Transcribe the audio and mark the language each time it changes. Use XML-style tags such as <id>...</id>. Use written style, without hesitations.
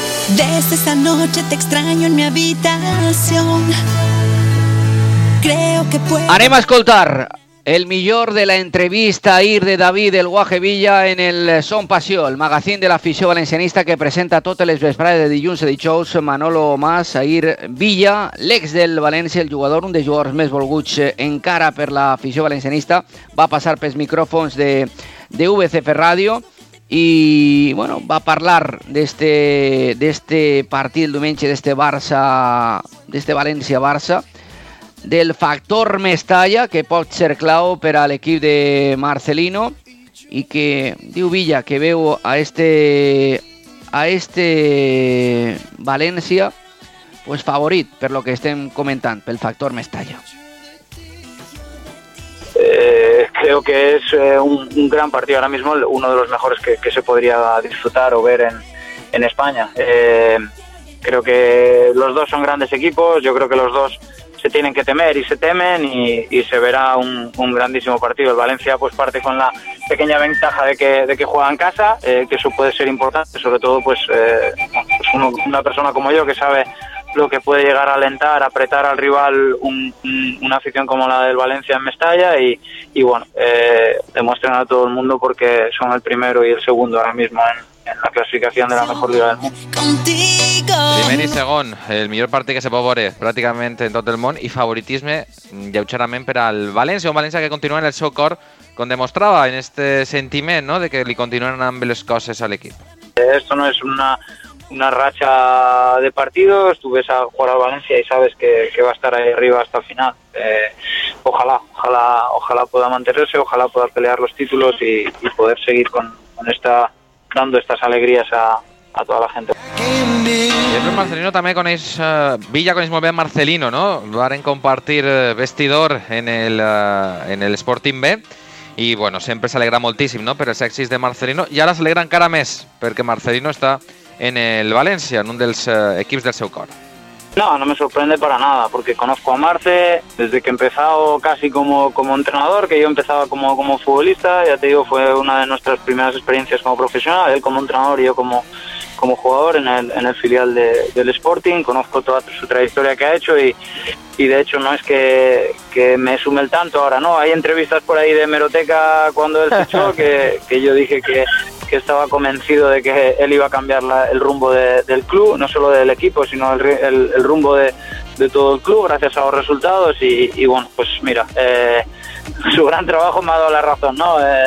<es>Desde esta noche te extraño en mi habitación. Creo que puedo...</es> <ca>Anem a escoltar el millor de la entrevista a ir de David el Guaje Villa en el Son Passió, el magazín de la afició valencianista que presenta totes les vesprades de dilluns i dijous Manolo Mas, a ir Villa, l'ex del València, el jugador, un dels jugadors més volguts encara per la afició valencianista, va passar pels micròfons de VCF Ràdio i bueno, va parlar d'este partit del diumenge, d'este València-Barça, del factor Mestalla, que pot ser clau per a l'equip de Marcelino, i que diu Villa que veu a este València pues favorit, per lo que estem comentant, pel factor Mestalla.</ca> <es>Creo que es un gran partido ahora mismo, uno de los mejores que se podría disfrutar o ver en España. Creo que los dos son grandes equipos, yo creo que los dos se tienen que temer y se temen y se verá un grandísimo partido. El Valencia pues parte con la pequeña ventaja de que juega en casa, que eso puede ser importante, sobre todo pues una persona como yo que sabe lo que puede llegar a alentar, apretar al rival una afición como la del Valencia en Mestalla y bueno, demuestren a todo el mundo porque son el primero y el segundo ahora mismo en la clasificación de la mejor liga del mundo.</es> <ca>Primer i segon, el millor partit que se pot veure pràcticament en tot el món i favoritisme lleugerament per al València, un València que continua en el seu cor, com demostrava, en este sentiment, no?, de que li continuen amb les coses a l'equip.</ca> <es>Esto no es una racha de partidos, tú ves a jugar al València y sabes que va a estar ahí arriba hasta el final. Ojalá pueda mantenerse, ojalá pueda pelear los títulos y poder seguir con esta, dando estas alegrías a toda la gente.</es> <ca>I després Marcelino també coneix, Villa coneix molt bé Marcelino, no? Varen compartir vestidor en el Sporting B i, bueno, sempre s'alegra moltíssim, no?, per els èxits de Marcelino, i ara s'alegra encara més perquè Marcelino està en el València, en un dels equips del seu cor.</ca> <es>No me sorprende para nada, porque conozco a Marce desde que he empezado casi como entrenador, que yo empezaba como futbolista, ya te digo, fue una de nuestras primeras experiencias como profesional, él como entrenador y yo como jugador en el filial del Sporting. Conozco toda su trayectoria que ha hecho y de hecho no es que me sume el tanto ahora, no, hay entrevistas por ahí de hemeroteca cuando él se echó que yo dije que estaba convencido de que él iba a cambiar el rumbo del club, no solo del equipo, sino el rumbo de todo el club gracias a los resultados y bueno, pues mira, su gran trabajo me ha dado la razón, ¿no?</es>